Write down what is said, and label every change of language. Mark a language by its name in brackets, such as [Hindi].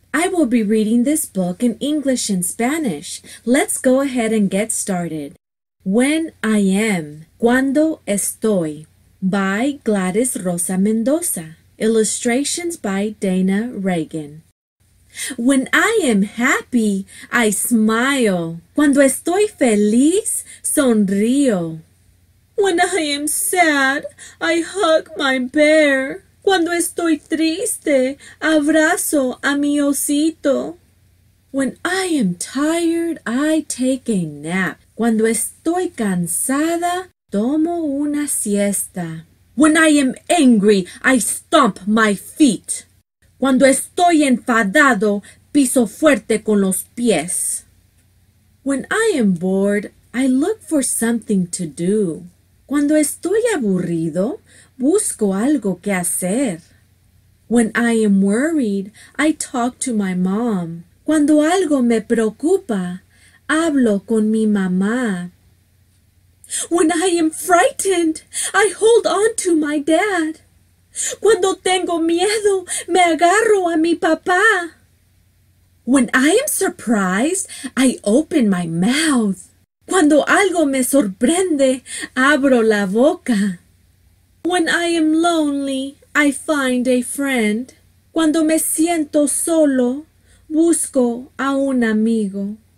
[English] I will be reading this book in English and Spanish. Let's go ahead and get started. When I Am, Cuando Estoy, by Gladys Rosa-Mendoza. Illustrations by Dana Reagan. When I am happy, I smile. [Spanish] Cuando estoy feliz, sonrío. [English] When I am sad, I hug my bear. [Spanish] Cuando estoy triste, abrazo a mi osito. [English] When I am tired, I take a nap. [Spanish] Cuando estoy cansada, tomo una siesta. [English] When I am angry, I stomp my feet. [Spanish] Cuando estoy enfadado, piso fuerte con los pies. [English] When I am bored, I look for something to do. [Spanish] Cuando estoy aburrido, busco algo que hacer. [English] When I am worried, I talk to my mom. [Spanish] Cuando algo me preocupa, hablo con mi mamá. [English] When I am frightened, I hold on to my dad. [Spanish] Cuando tengo miedo, me agarro a mi papá. [English] When I am surprised, I open my mouth. [Spanish] Cuando algo me sorprende, abro la boca. [English] When I am lonely, I find a friend. [Spanish] Cuando me siento solo, busco a un amigo.